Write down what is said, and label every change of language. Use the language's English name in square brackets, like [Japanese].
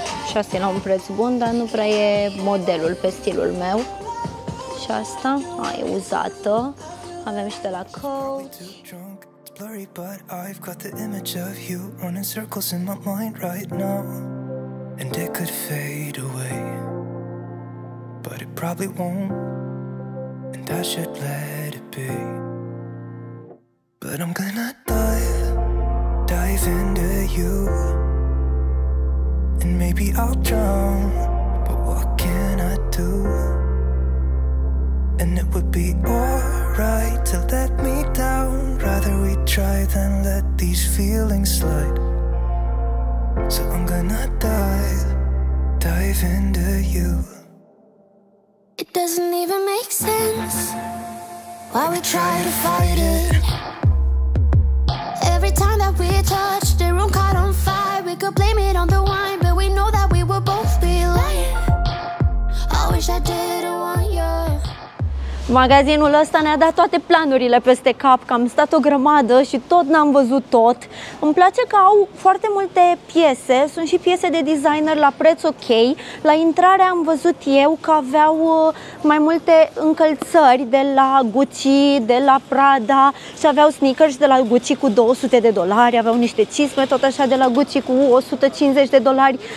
[Romanian] Și asta e la un preț bun, dar nu prea e modelul pe stilul meu. Și asta, a, e uzată. Avem și de la Coach. [English] It's blurry, but I've got the image of you running circles in my mind right now. And it could fade away, but it probably won't. And I should let it be. But I'm gonna dive into you. And maybe I'll drown, but what can I do? And it would be alright to let me down. Rather we try than let these feelings slide. So I'm gonna dive into you. It doesn't even make sense why we try to fight it. Every time that we touch, the room caught on fire. We could blame it on the wine, but we know that we would both be lying. I wish I didn't want you. [Romanian] Magazinul ăsta ne-a dat toate planurile peste cap, că am stat o grămadă și tot n-am văzut tot. Îmi place că au foarte multe piese, sunt și piese de designer la preț ok. La intrare am văzut eu că aveau mai multe încălțări de la Gucci, de la Prada și aveau sneakers de la Gucci cu $200, aveau niște cisme tot așa de la Gucci cu $150.